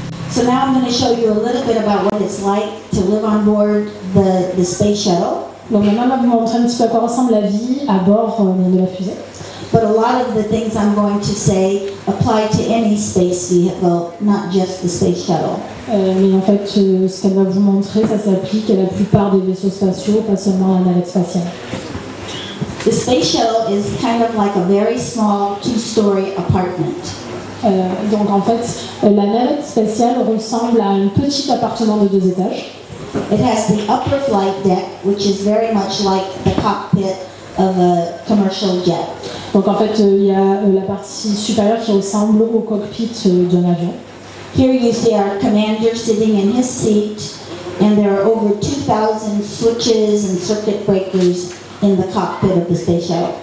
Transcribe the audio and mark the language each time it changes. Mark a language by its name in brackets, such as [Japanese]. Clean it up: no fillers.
[English] So now I'm going to show you a little bit about what it's like to live on board the space shuttle. [French] Donc maintenant, je vais vous montrer un petit peu à quoi ressemble la vie à bord de la fusée. [English] But a lot of the things I'm going to say apply to any space vehicle, not just the space shuttle. [French] Mais en fait, ce qu'elle va vous montrer, ça s'applique à la plupart des vaisseaux spatiaux, pas seulement à la navette spatiale. [English] The space shuttle is kind of like a very small two-story apartment. [French] Donc en fait, la navette spatiale ressemble à un petit appartement de deux étages. [English] It has the upper flight deck, which is very much like the cockpit of a commercial jet. [French] Donc en fait, il y a la partie supérieure qui ressemble au cockpit d'un avion. [English] Here you see our commander sitting in his seat, and there are over 2,000 switches and circuit breakers in the cockpit of the space shuttle.